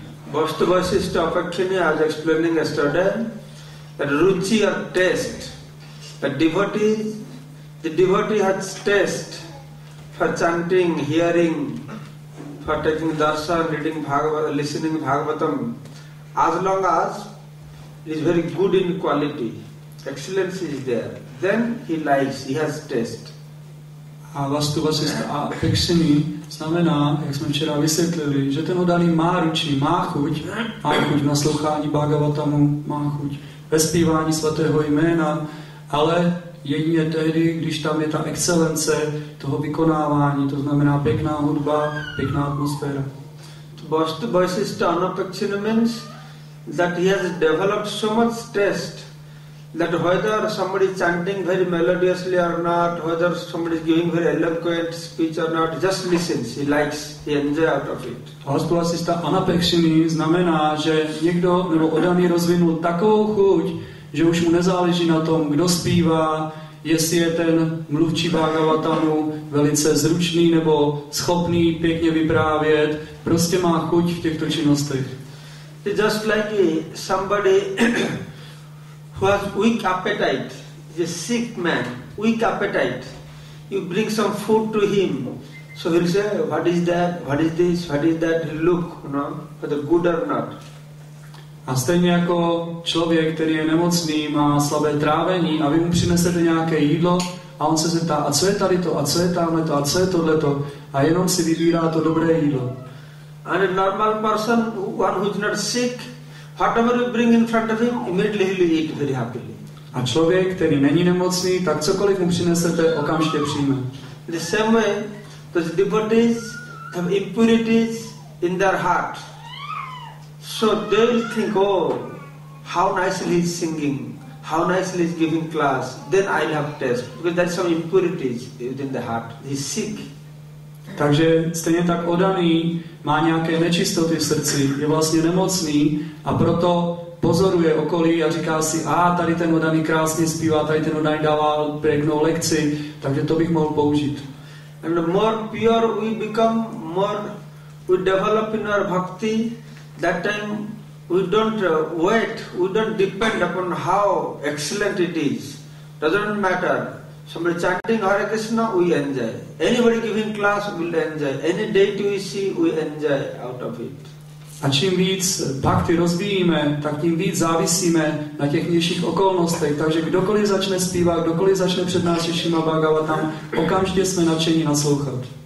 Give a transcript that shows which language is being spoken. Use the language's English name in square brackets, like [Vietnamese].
[English] Vastu vaisishta anapekshini, as explaining yesterday, that ruchi or taste, the devotee has taste for chanting, hearing, for taking darshan, reading Bhagavatam, listening Bhagavatam, as long as it is very good in quality, excellence is there, then he likes, he has taste. [Czech] A vastu vasistha a pekshini znamená, jak jsme včera vysvětlili, že ten oddaný má ruchi, má chuť na slouchání Bhagavatamu, má chuť ve zpívání svatého jména, ale jedině tehdy, když tam je ta excelence toho vykonávání, to znamená pěkná hudba, pěkná atmosféra. [English] To vastu vaisishta anapekshini means that he has developed so much taste that whether somebody is chanting very melodiously or not, whether somebody is giving very eloquent speech or not, just listens, he likes, he enjoys out of it. [Czech] Vastu vaisishta anapekshini znamená, že někdo nebo oddaný rozvinul takovou chuť, že už mu nezáleží na tom, kdo zpívá, jestli je ten mluvčí Bhagavatamu velice zručný nebo schopný pěkně vyprávět, prostě má chuť v těchto činnostech. [English] It's just like somebody who has weak appetite, he's a sick man, weak appetite. You bring some food to him, so he'll say, what is that, what is this, what is that, he'll look, you know, whether good or not. [Czech] A stejně jako člověk, který je nemocný, má slabé trávení a vy mu přinesete nějaké jídlo a on se zeptá, a co je tady to, a co je tamhle to, a co je tohleto, a jenom si vybírá to dobré jídlo. [English] And a normal person, one who is not sick, whatever you bring in front of him, immediately he'll eat very happily. [Czech] A člověk, který není nemocný, tak cokoliv mu přinesete, okamžitě přijme. [English] The same way, those devotees, have impurities in their heart. So they will think, oh, how nicely he is singing, how nicely he is giving class, then I will have test. Because there are some impurities within the heart. He is sick. [Czech] Takže stejně tak odaný má nějaké nečistoty v srdci, je vlastně nemocný a proto pozoruje okolí a říká si, a tady ten odaný krásně zpívá, tady ten odaný dává pěknou lekci, takže to bych mohl použít. [English] And the more pure we become, more we develop in our bhakti, that time we don't wait, we don't depend upon how excellent it is. Doesn't matter. Somebody chanting Hare Krishna, we enjoy. Anybody giving class, we will enjoy. Any deity we see, we enjoy out of it. [Czech] A čím víc bhakti rozvíjíme, tak tím víc závisíme na těch nižších okolnostech. Takže kdokoliv začne zpívat, kdokoliv začne přednášet Šrímad Bhagavatam, okamžitě jsme nadšení naslouchat.